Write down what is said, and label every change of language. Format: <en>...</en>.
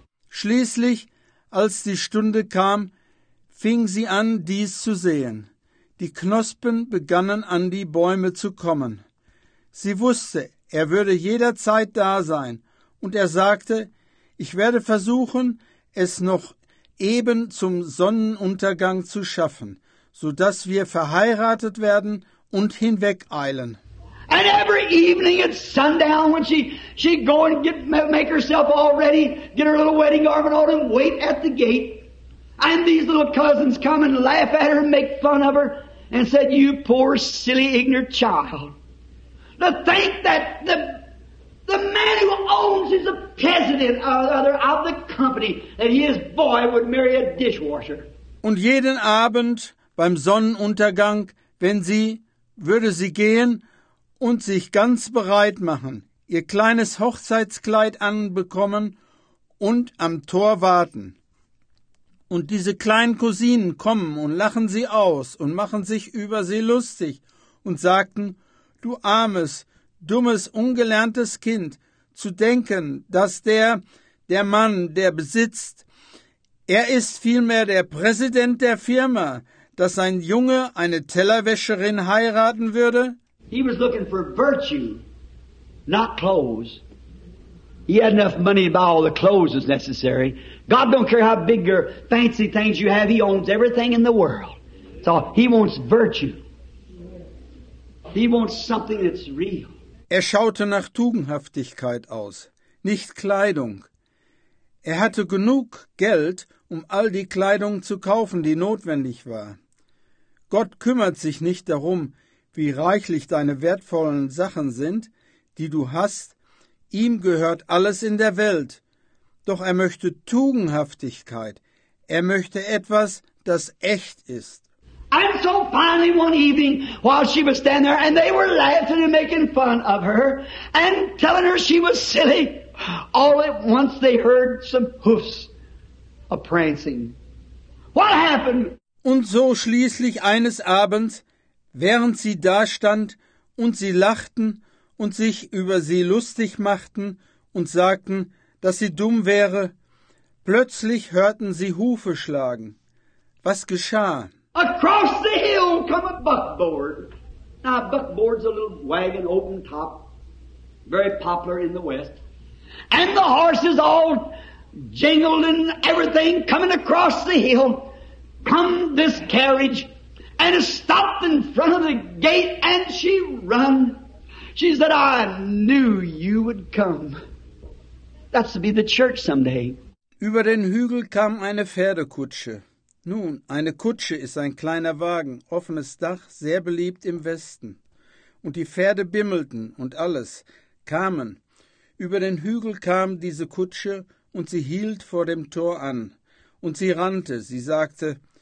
<de>Schließlich, als die Stunde kam, fing sie an, dies zu sehen. Die Knospen begannen an die Bäume zu kommen. Sie wusste, er würde jederzeit da sein, und er sagte, ich werde versuchen, es noch eben zum Sonnenuntergang zu schaffen, so dass wir verheiratet werden und hinwegeilen.</de> <en>And every evening at sundown, when she'd go and make herself all ready, get her little wedding garment on and wait at the gate. And these little cousins come and laugh at her and make fun of her and said, you poor, silly, ignorant child. To think that the man who owns is a president of the company, that his boy would marry a dishwasher.</en> <de>Und jeden Abend beim Sonnenuntergang, wenn sie, würde sie gehen und sich ganz bereit machen, ihr kleines Hochzeitskleid anbekommen und am Tor warten. Und diese kleinen Cousinen kommen und lachen sie aus und machen sich über sie lustig und sagten, du armes, dummes, ungelerntes Kind, zu denken, dass der Mann, der besitzt, er ist vielmehr der Präsident der Firma, dass ein Junge eine Tellerwäscherin heiraten würde?</de> <en>He was looking for virtue, not clothes. He had enough money to buy all the clothes that's necessary. God don't care how big or fancy things you have. He owns everything in the world. So he wants virtue. He wants something that's real.</en> <de>Er schaute nach Tugendhaftigkeit aus, nicht Kleidung. Er hatte genug Geld, um all die Kleidung zu kaufen, die notwendig war. Gott kümmert sich nicht darum, wie reichlich deine wertvollen Sachen sind, die du hast. Ihm gehört alles in der Welt. Doch er möchte Tugendhaftigkeit. Er möchte etwas, das echt ist.</de> <en>And so finally one evening, while she was standing there, and they were laughing and making fun of her, and telling her she was silly, all at once they heard some hoofs a-prancing. What happened?</en> <de>Und so schließlich eines Abends, während sie da stand und sie lachten und sich über sie lustig machten und sagten, dass sie dumm wäre, plötzlich hörten sie Hufe schlagen. Was geschah?</de> <en>Across the hill come a buckboard. Now, a buckboard's a little wagon, open top, very popular in the West. And the horses all jingled and everything coming across the hill. Come this carriage, and it stopped in front of the gate, and she run. She said, I knew you would come. That's to be the church someday.</en> <de>Über den Hügel kam eine Pferdekutsche. Nun, eine Kutsche ist ein kleiner Wagen, offenes Dach, sehr beliebt im Westen. Und die Pferde bimmelten und alles, kamen. Über den Hügel kam diese Kutsche, und sie hielt vor dem Tor an. Und sie rannte, sie sagte,</de>